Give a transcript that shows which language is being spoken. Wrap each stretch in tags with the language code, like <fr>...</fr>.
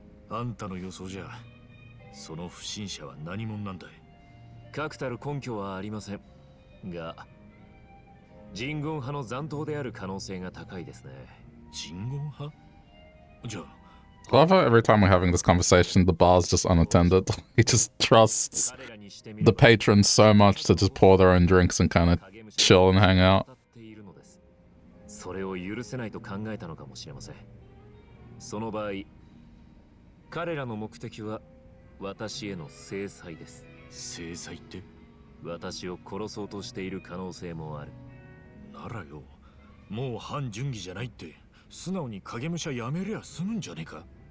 <ja>あんたの予想じゃその不審者は何者なんだい。確たる根拠はありませんが、人言派の残党である可能性が高いですね。人言派？じゃあ、</ja> <en>I love how every time we're having this conversation, the bar's just unattended. He just trusts the patrons so much to just pour their own drinks and kind of chill and hang out.</en> <ja>それを許せないと考えたのかもしれません。その場合、彼らの目的は私への制裁です。制裁って？私を殺そうとしている可能性もある。ならよ、もう反順義じゃないって、素直に影武者辞めりゃ済むんじゃねえか。</ja>